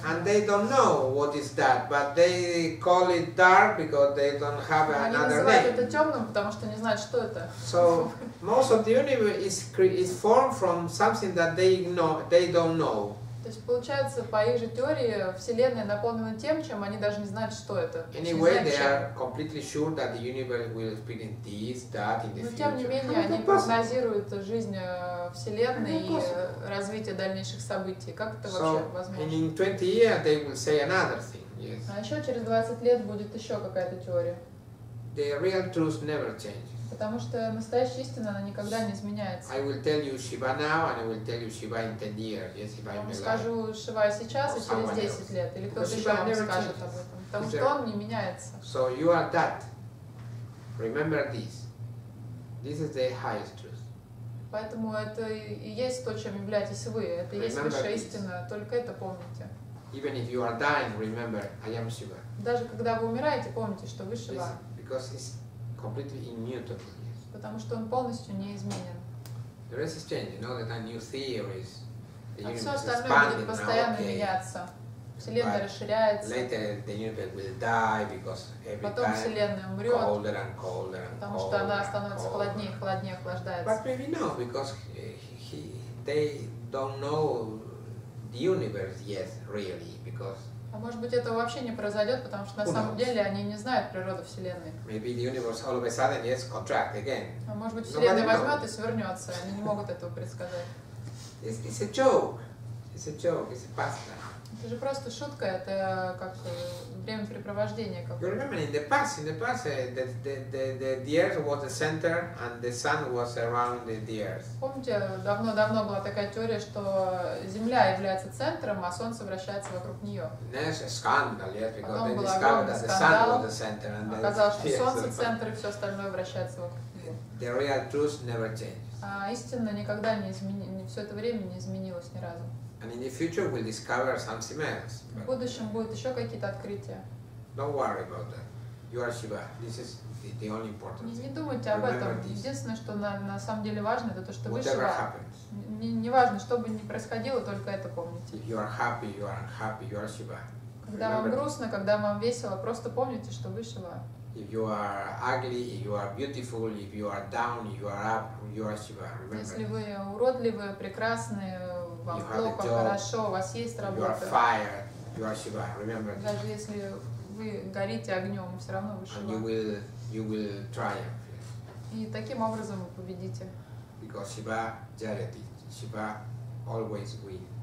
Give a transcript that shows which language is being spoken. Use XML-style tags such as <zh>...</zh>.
<en>And they don't know what is that, but they call it dark because they don't have another name.</en> <ru>Они называют это темным, потому что не знают, что это.</ru> <en>So most of the universe is formed from something that they don't know.</en> <ru>То есть получается, по их же теории, вселенная наполнена тем, чем они даже не знают, что это.</ru> <en>Anyway, they are completely sure that the universe will experience this, that in the future.</en> <ru>Но тем не менее, они прогнозируют жизнь вселенной и развитие дальнейших событий. Как это вообще возможно?</ru> <en>In 20 years they will say another thing. Yes.</en> <ru>А еще через 20 лет будет еще какая-то теория.</ru> <en>The real truth never changes.</en> <ru>Потому что настоящая истина, она никогда не изменяется.</ru> <en>I will tell you Shiva now, and I will tell you Shiva in 10 years. Yes, if I'm alive.</en> <ru>Скажу Шива сейчас, и через 10 лет. Или кто-то еще вам скажет об этом. Потому что он не меняется.</ru> <en>So you are that. Remember this. This is the highest truth.</en> <ru>Поэтому это и есть то, чем являетесь вы. Это и есть высшая истина. Только это помните.</ru> <en>Even if you are dying, remember, I am Shiva.</en> <ru>Даже когда вы умираете, помните, что вы Шива.</ru> <en>Because it's completely immutable. Yes.</en> <ru>Потому что он полностью неизменен.</ru> <en>The rest is changing. You know that new theories.</en> <ru>А все остальное будет постоянно меняться. Вселенная расширяется.</ru> <en>Later the universe will die because every time.</en> <ru>Потом вселенная умрет.</ru> <en>Colder and colder and</en> <ru>потому что она становится холоднее, холоднее, охлаждается.</ru> <en>But maybe not because they don't know the universe yet really because.</en> <ru>А может быть, этого вообще не произойдет, потому что на самом деле они не знают природу Вселенной.</ru> <en>Maybe the universe all of a sudden gets contract again.</en> <ru>А может быть, Вселенная возьмет и свернется. Они не могут этого предсказать.</ru> <en>It's a joke. It's a joke. It's a pastime.</en> <ru>Это же просто шутка. Это как времяпрепровождение какое-то.</ru> <en>You remember in the past, the Earth was the center and the Sun was around the Earth.</en> <ru>Помните, давно-давно была такая теория, что Земля является центром, а Солнце вращается вокруг нее.</ru> <en>There's a scandal, yes, because they discovered that the Sun was the center and then.</en> <ru>Оказалось, что Солнце центр и все остальное вращается вокруг него.</ru> <en>The real truth never changes.</en> <ru>А истина никогда не изменилась, все это время не изменилась ни разу.</ru> <en>And in the future we'll discover something else.</en> <ru>В будущем будут еще какие-то открытия.</ru> <en>Don't worry about that. You are Shiva. This is the only important thing.</en> <ru>Не думайте об этом. Единственное, что на самом деле важно, это то, что вы Shiva.</ru> <en>Whatever happens.</en> <ru>Не важно, что бы ни происходило, только это помните.</ru> <en>If you are happy, you are unhappy, you are Shiva.</en> <ru>Когда вам грустно, когда вам весело, просто помните, что вы Shiva.</ru> <en>If you are ugly, if you are beautiful, if you are down, you are up, you are Shiva. Remember.</en> <ru>Если вы уродливые, прекрасные, вам плохо, хорошо, у вас есть работа.</ru> <en>You are fired, you are Shiva. Remember.</en> <ru>Даже если вы горите огнем, все равно вы Shiva.</ru> <en>And you will triumph.</en> <ru>И таким образом вы победите.</ru> <en>Because Shiva Jayati, Shiva always win.</en>